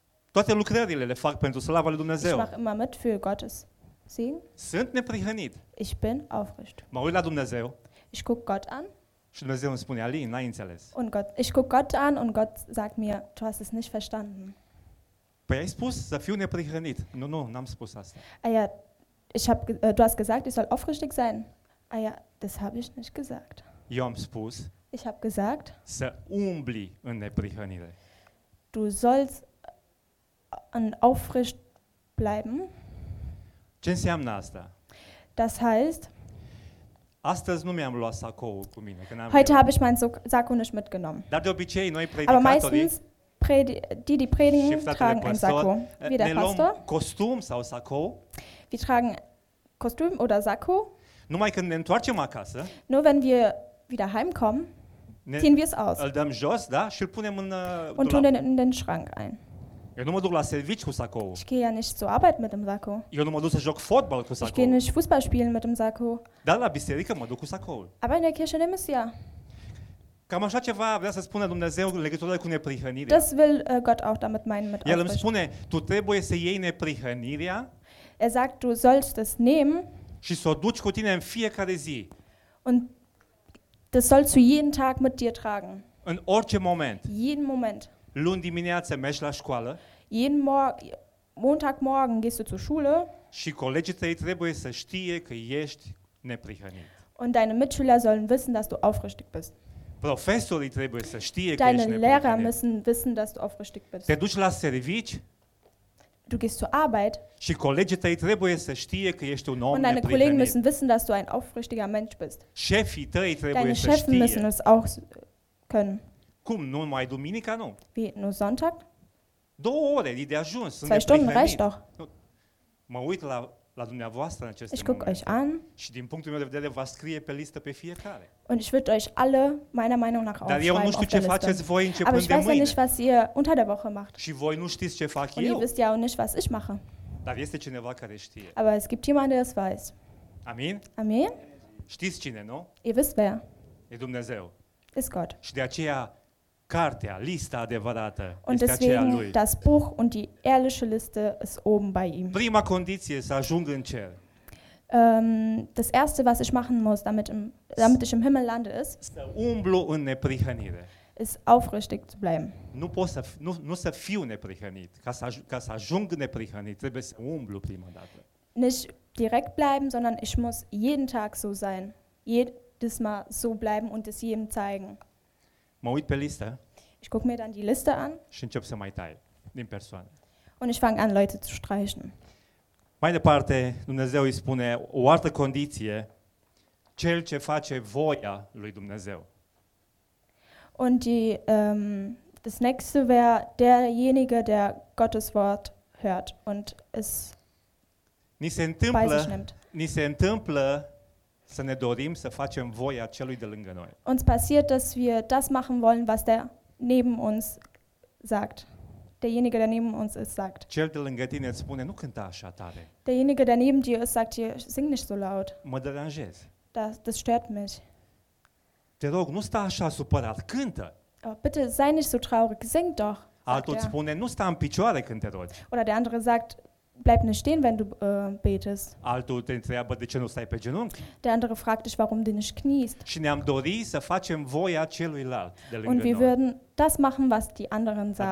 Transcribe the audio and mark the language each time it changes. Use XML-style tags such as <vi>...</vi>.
<ro>Toate lucrările le fac pentru slava lui Dumnezeu.</ro> <de>Ich mache immer mit für Gottes Segen.</de> <ro>Sunt neprihănit.</ro> <de>Ich bin aufrichtig.</de> <ro>Mă uit la Dumnezeu.</ro> <de>Ich guck Gott an.</de> <ro>Și Dumnezeu îmi spune, Alin, n-ai înțeles.</ro> <de>Und Gott, ich guck Gott an und Gott sagt mir, du hast es nicht verstanden.</de> <ro>Păi ai spus să fiu neprihănit. Nu, nu, n-am spus asta.</ro> <de>Ja, ich hab, du hast gesagt, ich soll aufrichtig sein. Ah ja, das habe ich nicht gesagt.</de> <ro>Eu am spus.</ro> <de>Ich habe gesagt.</de> <ro>Să umbli în neprihănire.</ro> <de>Du sollst aufrecht bleiben.</de> <ro>Ce înseamnă asta?</ro> <de>Das heißt.</de> <ro>Astăzi nu mi-am luat sacoul cu mine.</ro> <de>Heute habe ich mein Sacko nicht mitgenommen.</de> <ro>Dar de obicei noi predicatorii.</ro> <de>Die predigen, tragen ein Sacko. Wie der Pastor.</de> <ro>Ne luăm costum sau sacou.</ro> <de>Wir tragen Kostüm oder Sacko.</de> <ro>Numai când ne întoarcem acasă.</ro> <de>Nur wenn wir wieder heimkommen, ziehen wir es aus.</de> <ro>Îl dăm jos, da? Și îl punem în dulap.</ro> <de>Und tun den in den Schrank ein.</de> <ro>Eu nu mă duc la servici cu sacou.</ro> <de>Ich gehe ja nicht zur Arbeit mit dem Sacko.</de> <ro>Eu nu mă duc să joc fotbal cu sacou.</ro> <de>Ich gehe nicht Fußball spielen mit dem Sacko.</de> <ro>Dar la biserică mă duc cu sacoul.</ro> <de>Aber in der Kirche nehme ich es ja.</de> <ro>Cam așa ceva vrea să spună Dumnezeu în legătură cu neprihănirea.</ro> <de>Das will Gott auch damit meinen mit</de> <ro>El îmi spune, tu trebuie să iei neprihănirea.</ro> <de>Er sagt, du sollst es nehmen.</de> <ro>Și să o duci cu tine în fiecare zi.</ro> <de>Und das sollst du jeden Tag mit dir tragen.</de> <ro>În orice moment.</ro> <de>Jeden Moment.</de> <ro>Luni dimineață mergi la școală.</ro> <de>Jeden Montagmorgen gehst du zur Schule.</de> <ro>Și colegii tăi trebuie să știe că ești neprihănit.</ro> <de>Und deine Mitschüler sollen wissen, dass du aufrichtig bist.</de> <ro>Profesorii trebuie să știe</ro> <de>deine</de> <ro>că ești neprihănit.</ro> <de>Deine Lehrer müssen wissen, dass du aufrichtig bist.</de> <ro>Te duci la servici.</ro> <de>Du gehst zur Arbeit.</de> <ro>Și colegii tăi trebuie să știe că ești un om neprihănit.</ro> <de>Und deine Kollegen müssen wissen, dass du ein aufrichtiger Mensch bist.</de> <ro>Șefii tăi trebuie</ro> <de>deine</de> <ro>să știe.</ro> <de>Deine Chefs müssen es auch können.</de> <ro>Cum? Nu mai duminica, nu?</ro> <de>Wie, nur Sonntag?</de> <ro>Două ore, e de ajuns, sunt neprihănit.</ro> <de>Zwei Stunden reicht doch.</de> <ro>Mă uit la dumneavoastră în aceste momente.</ro> <de>Ich guck euch an.</de> <ro>Și din punctul meu de vedere, vă scrie pe listă pe fiecare.</ro> <de>Und ich würde euch alle meiner Meinung nach aufschreiben.</de> <ro>Dar eu nu știu ce faceți voi începând de mâine.</ro> <de>Aber ich weiß ja nicht, was ihr unter der Woche macht.</de> <ro>Și voi nu știți ce fac eu.</ro> <de>Und ihr wisst ja auch nicht, was ich mache.</de> <ro>Dar este cineva care știe.</ro> <de>Aber es gibt jemanden, der es weiß.</de> <ro>Amin?</ro> <de>Amin?</de> <ro>Știți cine, nu?</ro> <de>Ihr wisst wer.</de> <ro>E Dumnezeu.</ro> <de>Ist Gott.</de> <ro>Și de aceea cartea, lista adevărată,</ro> <de>und</de> <ro>este aceea lui.</ro> <de>Das Buch und die ehrliche Liste ist oben bei ihm.</de> <ro>Prima condiție să ajung în cer.</ro> <de>Das erste, was ich machen muss, damit ich im Himmel lande, ist</de> <ro>să umblu în neprihănire.</ro> <de>Ist aufrichtig zu bleiben.</de> <ro>Nu pot să nu să fiu neprihănit, ca să ajung neprihănit, trebuie să umblu prima dată.</ro> <de>Nicht direkt bleiben, sondern ich muss jeden Tag so sein. Jedes Mal so bleiben und es jedem zeigen.</de> <ro>Mă uit pe listă.</ro> <de>Ich gucke mir dann die Liste an.</de> <ro>Și încep să mai tai din persoane.</ro> <de>Und ich fange an, Leute zu streichen.</de> <ro>Mai departe, Dumnezeu îi spune o altă condiție, cel ce face voia lui Dumnezeu.</ro> <de>Und die, das nächste wäre derjenige, der Gottes Wort hört und es</de> <ro>ni se întâmplă,</ro> <de>bei sich nimmt.</de> <ro>Ni se întâmplă să ne dorim să facem voia celui de lângă noi.</ro> <de>Uns passiert, dass wir das machen wollen, was der neben uns sagt. Derjenige, der neben uns ist, sagt.</de> <ro>Cel de lângă tine spune, nu cânta așa tare.</ro> <de>Derjenige, der neben dir ist, sagt dir, sing nicht so laut.</de> <ro>Mă deranjez.</ro> <de>Das stört mich.</de> <ro>Te rog, nu sta așa supărat, cântă.</ro> <de>Oh, bitte, sei nicht so traurig, sing doch.</de> <ro>Altul spune, nu sta în picioare când te rogi.</ro> <de>Oder der andere sagt, bleib nicht stehen, wenn du betest.</de> <ro>Altul te întreabă, de ce nu stai pe genunchi?</ro> <de>Der andere fragt dich, warum du nicht kniest.</de> <ro>Și ne-am dori să facem voia celuilalt de lângă noi.</ro> <de>Und wir würden das machen, was die anderen sagen.</de>